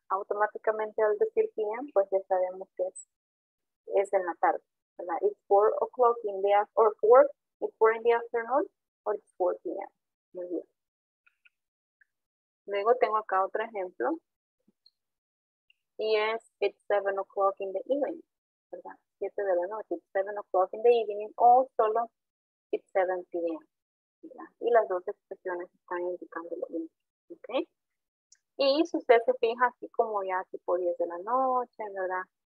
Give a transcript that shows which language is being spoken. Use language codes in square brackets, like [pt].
[es] Automáticamente al decir p.m., pues ya sabemos que es en la tarde, ¿verdad? [en] It's 4 o'clock in the afternoon, or it's 4 in the afternoon, o it's 4 p.m. [es] Muy bien. Luego tengo acá otro ejemplo. [en] Yes, it's 7 o'clock in the evening, ¿verdad? [es] 7 de la noche, [en] it's 7 o'clock in the evening, [es] o solo [en] it's 7 p.m. [es] Y las dos expresiones están indicando lo mismo, ¿ok? Y si usted se fija, así como ya tipo 10 de la noche, ¿verdad?